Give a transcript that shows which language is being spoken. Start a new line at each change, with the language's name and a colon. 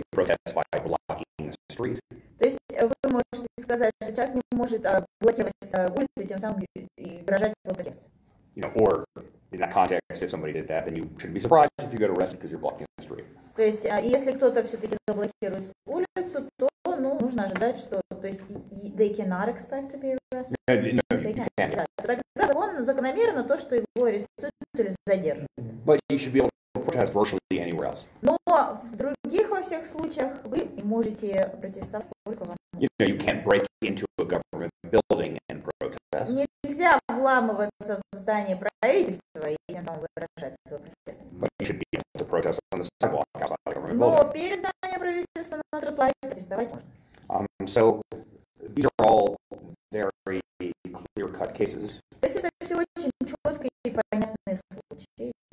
Russian: То есть вы можете сказать, что человек не может блокировать улицу, тем самым выражать свой протест.
English: You know, or in that context, if somebody did that, then you shouldn't be surprised if you get arrested because you're blocking the street.
Russian: То есть если кто-то все-таки заблокирует улицу, то ну, нужно ожидать, что то есть
English: they cannot expect to be arrested. No, you can't.
Russian: Да, тогда закон закономерно то, что его арестуют или задержат.
English: But you should be able to protest virtually anywhere else.
Russian: Но в других во всех случаях вы можете протестовать сколько вам.
English: You know, you can't break into a government building and protest.
Russian: Нельзя вламываться в здание правительства и тем самым выражать свой протест.
English: But you should be able to protest on the sidewalk outside the government
Russian: building. Но перед зданием правительства на тротуаре протестовать можно.
English: So these are all very clear-cut cases.
Russian: То есть это все очень четкие и понятные случаи.